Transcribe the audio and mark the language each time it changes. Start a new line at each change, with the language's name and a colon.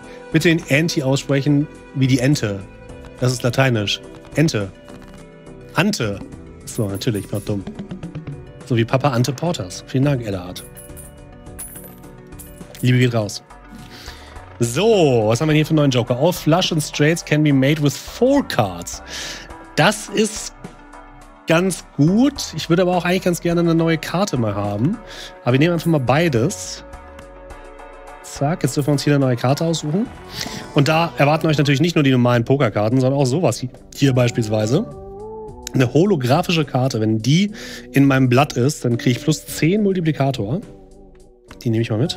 German: Bitte den Anti aussprechen wie die Ente. Das ist lateinisch. Ente. Ante. So, natürlich, ich bin auch dumm. So wie Papa Ante Porters. Vielen Dank, Edderhard. Liebe geht raus. So, was haben wir hier für einen neuen Joker?
English: All Flush and Straights can be made with 4 cards.
German: Das ist ganz gut. Ich würde aber auch eigentlich ganz gerne eine neue Karte mal haben. Aber wir nehmen einfach mal beides. Zack, jetzt dürfen wir uns hier eine neue Karte aussuchen. Und da erwarten euch natürlich nicht nur die normalen Pokerkarten, sondern auch sowas hier beispielsweise. Eine holographische Karte, wenn die in meinem Blatt ist, dann kriege ich plus 10 Multiplikator. Die nehme ich mal mit.